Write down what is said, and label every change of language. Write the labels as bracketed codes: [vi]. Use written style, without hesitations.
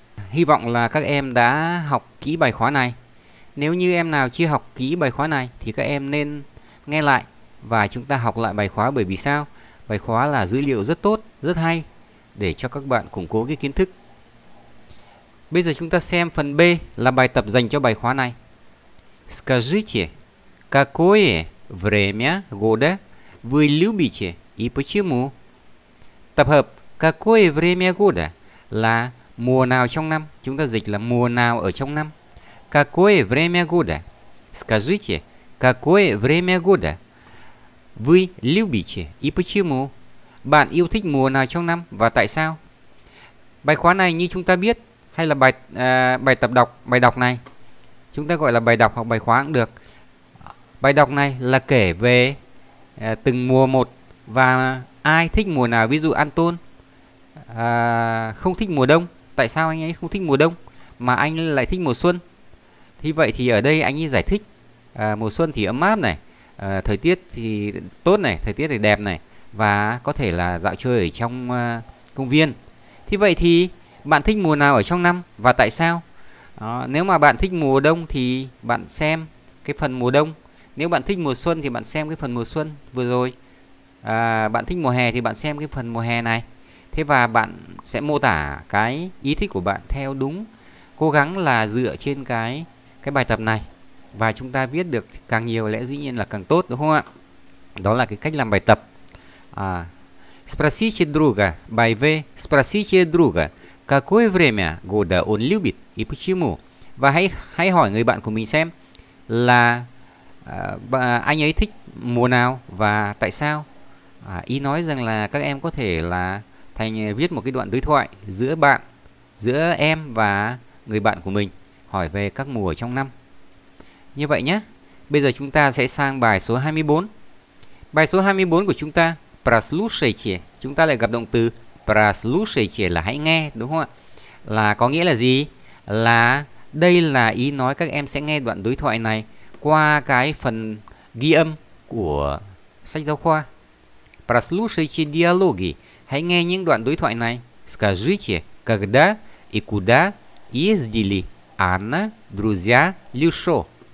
[vi] Hy vọng là các em đã học kỹ bài khóa này. Nếu như em nào chưa học kỹ bài khóa này thì các em nên nghe lại và chúng ta học lại bài khóa. Bởi vì sao? Bài khóa là dữ liệu rất tốt, rất hay để cho các bạn củng cố cái kiến thức. Bây giờ chúng ta xem phần B là bài tập dành cho bài khóa này. [ru] Скажите, какое время года вы любите и почему? [vi] Tập hợp [ru] какое время года [vi] là mùa nào trong năm. Chúng ta dịch là mùa nào ở trong năm. [ru] Какое время года? Скажите, какое время года вы любите и почему? [vi] Bạn yêu thích mùa nào trong năm và tại sao? Bài khóa này như chúng ta biết, hay là bài tập đọc này, chúng ta gọi là bài đọc hoặc bài khóa cũng được. Bài đọc này là kể về từng mùa một và ai thích mùa nào. Ví dụ Anton không thích mùa đông. Tại sao anh ấy không thích mùa đông mà anh lại thích mùa xuân? Thì vậy thì ở đây anh ấy giải thích mùa xuân thì ấm áp này, thời tiết thì tốt này, thời tiết thì đẹp này, và có thể là dạo chơi ở trong công viên. Thì vậy thì bạn thích mùa nào ở trong năm và tại sao? Nếu mà bạn thích mùa đông thì bạn xem cái phần mùa đông. Nếu bạn thích mùa xuân thì bạn xem cái phần mùa xuân vừa rồi. Bạn thích mùa hè thì bạn xem cái phần mùa hè này. Thế và bạn sẽ mô tả cái ý thích của bạn theo đúng, cố gắng là dựa trên cái bài tập này. Và chúng ta viết được càng nhiều lẽ dĩ nhiên là càng tốt, đúng không ạ? Đó là cái cách làm bài tập. [ru] Спросите друга, [vi] bài V, [ru] спросите друга, какое время года он любит и почему? [vi] Và hãy hỏi người bạn của mình xem là anh ấy thích mùa nào và tại sao? Ý nói rằng là các em có thể là thành viết một cái đoạn đối thoại giữa bạn, giữa em và người bạn của mình, hỏi về các mùa trong năm. Như vậy nhé. Bây giờ chúng ta sẽ sang bài số 24. Bài số 24 của chúng ta, [ru] прослушайте, [vi] chúng ta lại gặp động từ прослушайте là hãy nghe, đúng không ạ? Là có nghĩa là gì? Là đây là ý nói các em sẽ nghe đoạn đối thoại này qua cái phần ghi âm của sách giáo khoa. [ru] Прослушайте диалоги, [vi] hãy nghe những đoạn đối thoại này. [ru] Скажите, когда и куда ездили Анна, друзья, Люшо?